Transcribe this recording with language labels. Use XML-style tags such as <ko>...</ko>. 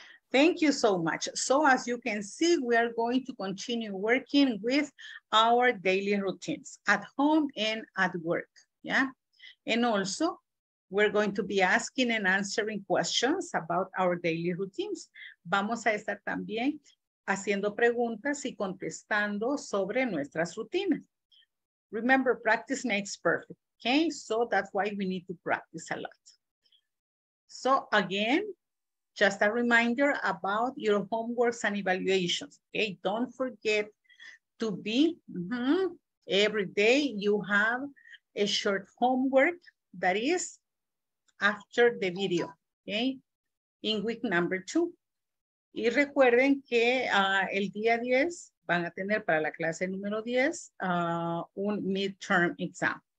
<en>Thank you so much. So as you can see, we are going to continue working with our daily routines at home and at work, yeah? And also, we're going to be asking and answering questions about our daily routines.</en> <es>Vamos a estar también haciendo preguntas y contestando sobre nuestras rutinas.</es> <en>Remember, practice makes perfect, okay? So that's why we need to practice a lot. So again, just a reminder about your homeworks and evaluations, okay? Don't forget to be, every day you have a short homework that is after the video, okay? In week number 2.</en> <es>Y recuerden que el día 10 van a tener para la clase número 10 un midterm exam.</es>